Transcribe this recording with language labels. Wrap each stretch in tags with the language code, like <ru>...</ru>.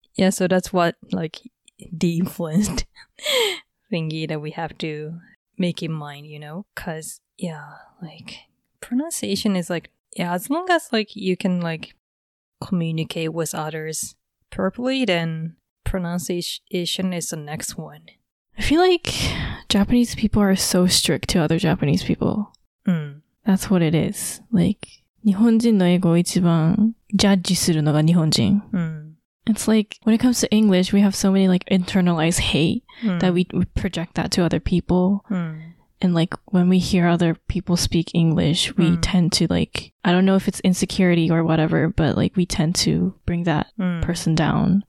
<en>so that's what like de-influenced thingy that we have to make in mind, you know, because yeah, like pronunciation is like, yeah, as long as like you can like communicate with others properly, then pronunciation is the next one. I feel like Japanese people are so strict to other Japanese people. That's what it is. Like,</en> <ja>日本人の英語を一番ジャッジするのが日本人.</ja> <en>It's like, when it comes to English, we have so many, like, internalized hate that we project that to other people. And, like, when we hear other people speak English, we tend to, like, I don't know if it's insecurity or whatever, but, like, we tend to bring that person down.</en>